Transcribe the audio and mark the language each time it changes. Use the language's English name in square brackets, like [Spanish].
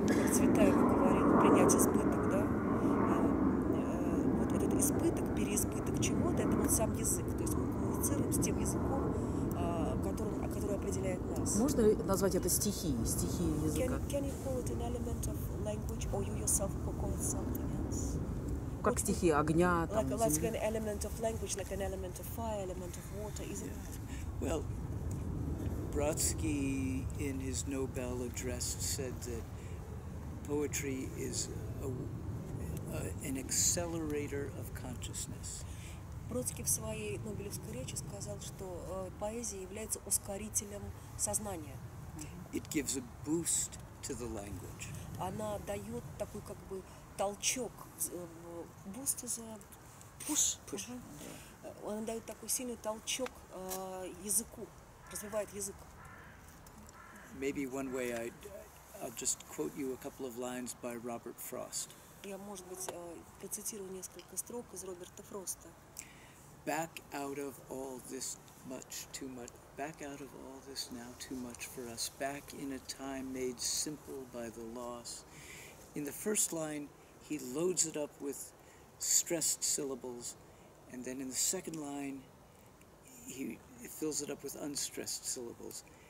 [Russian] Цветаева говорила, принять избыток, да? Вот этот избыток, переизбыток чего-то, это вот сам язык. То есть мы коммуницируем с тем языком, который определяет нас. Можно назвать это стихией, стихией языка? [English] Can you call it an element of language, or you yourself call it something else? [Russian] Как стихия огня, там, земли? [English] Like an element of language, like an element of fire, element of water, isn't it? Well, Brodsky in his Nobel address said that poetry is an accelerator of consciousness. [Russian] Бродский в своей Нобелевской речи сказал, что поэзия является ускорителем сознания. [English] It gives a boost to the language. [Russian] Она дает такой как бы толчок, [English] boost is a push. [Russian] Она дает такой сильный толчок языку, развивает язык. [English] Maybe one way I'll just quote you a couple of lines by Robert Frost. [Russian] Я, может быть, процитирую несколько строк из Роберта Фроста. [English] Back out of all this much, too much, back out of all this now too much for us, back in a time made simple by the loss. In the first line, he loads it up with stressed syllables, and then in the second line, he fills it up with unstressed syllables.